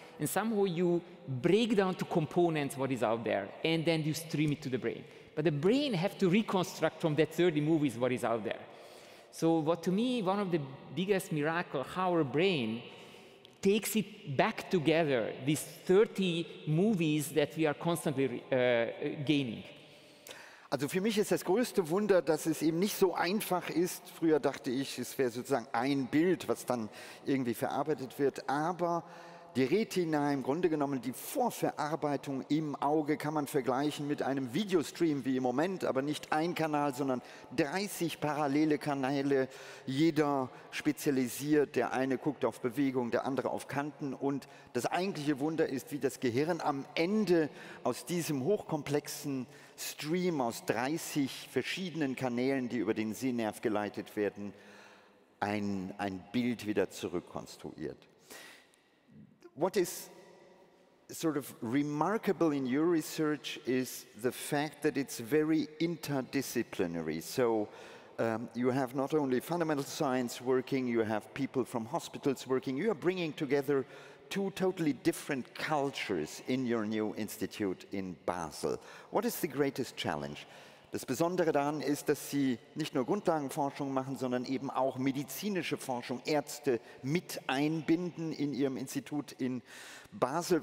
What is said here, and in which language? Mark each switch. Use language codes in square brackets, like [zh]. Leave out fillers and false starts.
[en] And somehow you break down to components what is out there, and then you stream it to the brain. But the brain have to reconstruct from that 30 movies what is out there. So what to me, one of the biggest miracles, how our brain takes it back together, these 30 movies that we are constantly gaining. [de] Also für mich ist das größte Wunder, dass es eben nicht so einfach ist. Früher dachte ich, es wäre sozusagen ein Bild, was dann irgendwie verarbeitet wird. Aber die Retina, im Grunde genommen die Vorverarbeitung im Auge, kann man vergleichen mit einem Videostream wie im Moment, aber nicht ein Kanal, sondern 30 parallele Kanäle, jeder spezialisiert, der eine guckt auf Bewegung, der andere auf Kanten, und das eigentliche Wunder ist, wie das Gehirn am Ende aus diesem hochkomplexen Stream aus 30 verschiedenen Kanälen, die über den Sehnerv geleitet werden, ein Bild wieder zurückkonstruiert. [en] What is sort of remarkable in your research is the fact that it's very interdisciplinary. So you have not only fundamental science working, you have people from hospitals working. You are bringing together two totally different cultures in your new institute in Basel. What is the greatest challenge? [de] Das Besondere daran ist, dass Sie nicht nur Grundlagenforschung machen, sondern eben auch medizinische Forschung, Ärzte mit einbinden in Ihrem Institut in Basel.